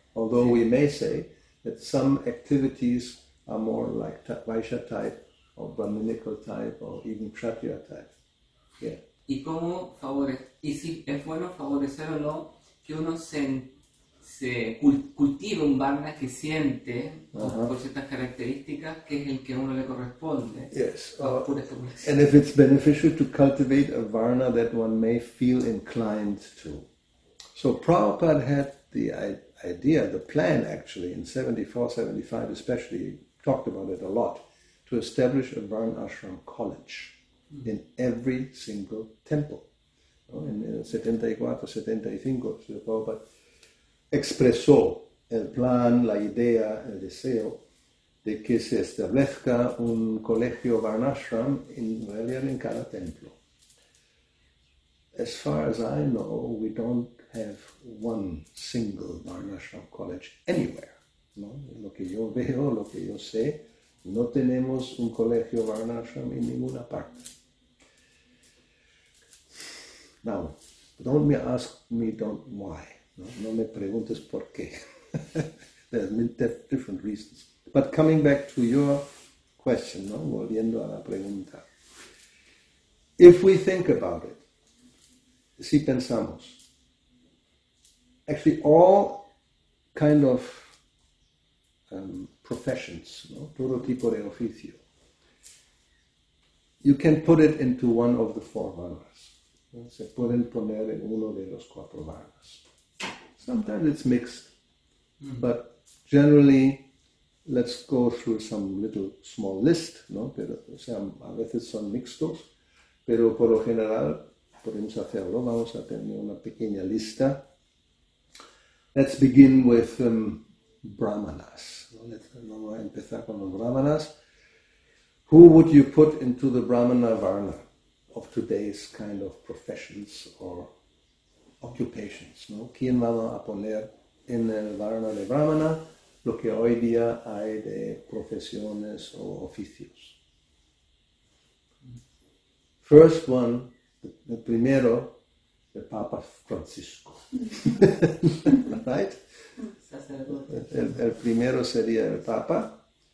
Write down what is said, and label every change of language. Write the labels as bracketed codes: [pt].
[en] Although sí. We may say that some activities are more like vaisha type or brahminical type or even kshatriya type. Yeah. [es] ¿Y cómo favorecer? ¿Y si es bueno favorecer o no que uno se cultive un varna que siente por ciertas características que es el que a uno le corresponde? [en] Yes. And if it's beneficial to cultivate a varna that one may feel inclined to. So Prabhupada had the idea, the plan actually, in 74, 75 especially, talked about it a lot, to establish a varna ashram college in every single temple. [es] In 74, 75, Prabhupada expresó el plan, la idea, el deseo de que se establezca un colegio varnashram en realidad en cada templo. [en] As far as I know, we don't have one single varnashram college anywhere. [es] ¿No? Lo que yo veo, lo que yo sé, no tenemos un colegio varnashram en ninguna parte. [en] Now, don't ask me why. [es] No me preguntes por qué. [en] There are different reasons. But coming back to your question, ¿no? [es] Volviendo a la pregunta. [en] If we think about it, [es] si pensamos, [en] actually all kind of professions, ¿no? [es] Todo tipo de oficio, [en] you can put it into one of the four varnas. ¿No? [es] Se pueden poner en uno de los cuatro varnas. [en] Sometimes it's mixed, but generally, let's go through some little small list, ¿no? [es] Pero, o sea, a veces son mixtos, pero por lo general podemos hacerlo. Vamos a tener una pequeña lista. [en] Let's begin with brahmanas. [es] Vamos a empezar con los brahmanas. [en] Who would you put into the brahmana varna of today's kind of professions or occupations, ¿no? [es] ¿Quién vamos a poner en el varna de brahmana lo que hoy día hay de profesiones o oficios? [en] First one, [es] el primero, el Papa Francisco. Right? El primero sería el Papa.